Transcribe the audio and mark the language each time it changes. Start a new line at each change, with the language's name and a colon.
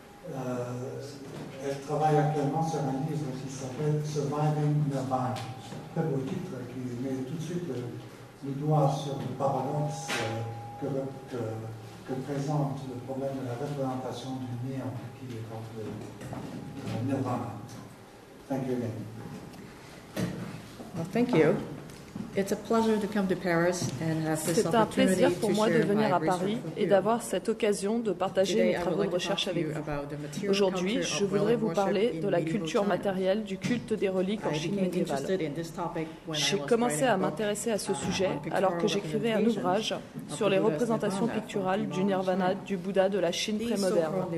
French: Elle travaille actuellement sur un livre qui s'appelle «
English: Surviving the Vine
French: », très beau titre, qui met tout de suite le doigt sur le paradoxe que présente le problème de la représentation du mire qui est contre le nirvana.
English: Thank you again. Well, thank you. It's a pleasure to come to Paris and have this
French: C'est un plaisir pour moi de venir à Paris et d'avoir cette occasion de partager mes travaux de recherche avec vous. Aujourd'hui, je voudrais vous parler de la culture matérielle du culte des reliques en Chine médiévale. J'ai commencé à m'intéresser à ce sujet alors que j'écrivais un ouvrage sur les représentations picturales du nirvana du Bouddha de la Chine prémoderne.